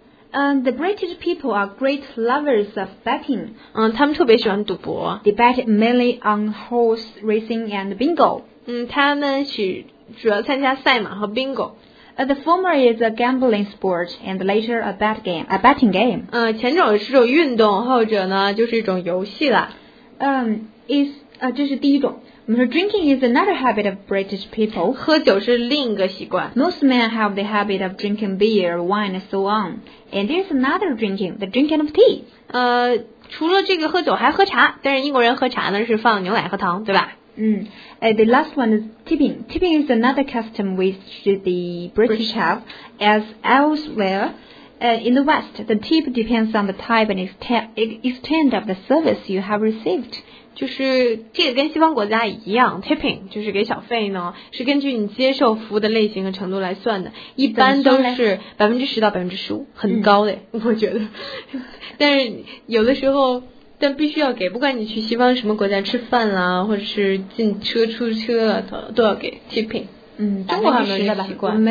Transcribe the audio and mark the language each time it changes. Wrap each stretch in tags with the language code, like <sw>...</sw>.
<en>The British people are great lovers of betting.</en> <zh>他们特别喜欢赌博。</zh> <en>They bet mainly on horse racing and bingo.</en> <zh>他们主要参加赛马和 bingo.</zh> <en>The former is a gambling sport and later a betting game.</en> <zh>前者是一种运动，后者呢就是一种游戏了。这是第一种。我们说</zh> <en>drinking is another habit of British people.</en> <zh>喝酒是另一个习惯。</zh> <en>Most men have the habit of drinking beer, wine, and so on. And there's another drinking, the drinking of tea.</en> <zh>除了这个喝酒还喝茶，但是英国人喝茶呢是放牛奶和糖，对吧？</zh> <en>The last one is tipping. Tipping is another custom which the British have. As elsewhere, in the West, the tip depends on the type and extent of the service you have received.</en> <zh>就是这个跟西方国家一样 tipping 就是给小费呢是根据你接受服务的类型和程度来算的一般都是 10% 到 15% 很高的我觉得但是有的时候但必须要给不管你去西方什么国家吃饭啦或者是进车出车都要给 tipping中国还没有这个习惯</zh>